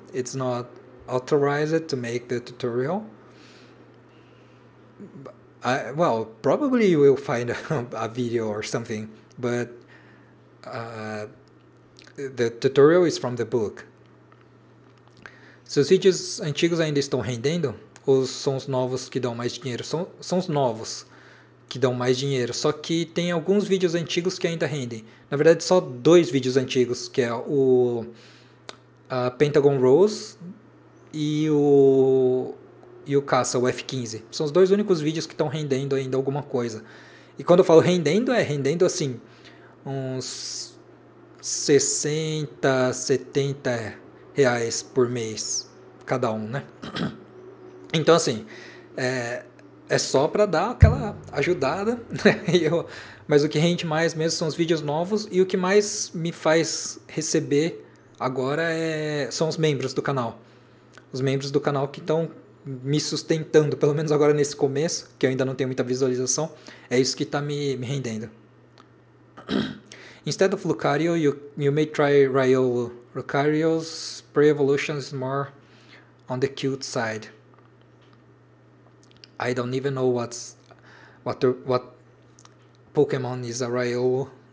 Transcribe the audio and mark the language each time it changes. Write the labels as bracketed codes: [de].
[en] It's not authorized to make the tutorial. Well, probably you will find a video or something, but the tutorial is from the book. [pt] Seus vídeos antigos ainda estão rendendo? Ou são os novos que dão mais dinheiro? São os novos que dão mais dinheiro. Só que tem alguns vídeos antigos que ainda rendem. Na verdade, só dois vídeos antigos, que é o Pentagon Rose e o Caça, o F-15. São os dois únicos vídeos que estão rendendo ainda alguma coisa. E quando eu falo rendendo, é rendendo assim uns 60, 70 reais por mês, cada um, né? Então, assim, é só para dar aquela ajudada, né? Mas o que rende mais mesmo são os vídeos novos, e o que mais me faz receber agora são os membros do canal. Os membros do canal que estão me sustentando, pelo menos agora nesse começo, que eu ainda não tenho muita visualização, é isso que está me rendendo. [en] Instead of Lucario, you may try Raiolo. Lucario's pre-evolution is more on the cute side. I don't even know what Pokemon is a Raiolo.